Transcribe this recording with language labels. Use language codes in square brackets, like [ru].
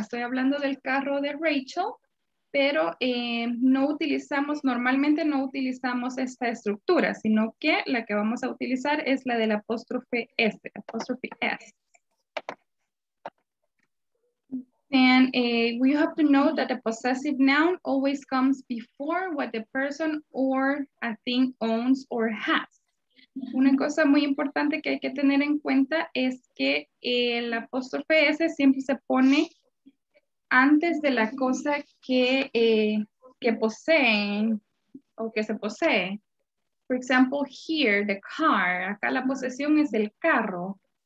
[es] Estoy hablando del carro de Rachel, pero no utilizamos, normalmente no utilizamos esta estructura, sino que la que vamos a utilizar es la del apóstrofe S, apóstrofe S. [en] And we have to know that a possessive noun always comes before what the person or a thing owns or has. [es] Una cosa muy importante que hay que tener en cuenta es que el apóstrofe S siempre se pone antes de la cosa que poseen o que se posee. [en] For example, here, the car. [es] Acá la posesión es el carro.